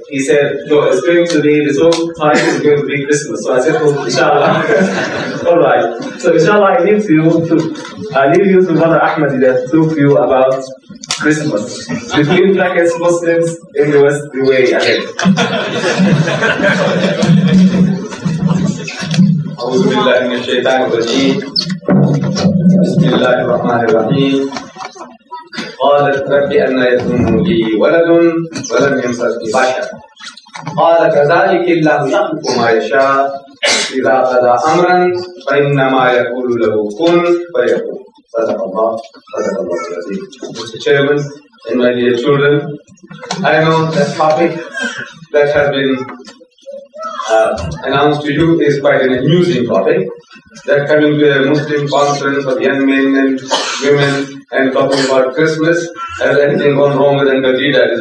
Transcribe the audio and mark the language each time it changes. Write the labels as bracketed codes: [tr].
[en] He said, no, it's going to be, this whole time is going to be Christmas. So I said, well, inshallah. All right. So inshallah, I leave you to Brother Ahmed that to talk to you about Christmas. Between black and Muslims in the West, the way ahead. [ar] بسم الله الرحمن الرحيم قالت ربي أن يكون لي ولد ولم يمسسني بشر قال كذلك الله يخلق ما يشاء إذا قضى أمرا فإنما يقول له كن فيكون صدق الله صدق الله العظيم. [en] Mr. Chairman and my dear children, I know that topic that has been announced to you is quite an amusing topic. That coming to a Muslim conference of young men and women and talking about Christmas, has anything gone wrong with Uncle Didat?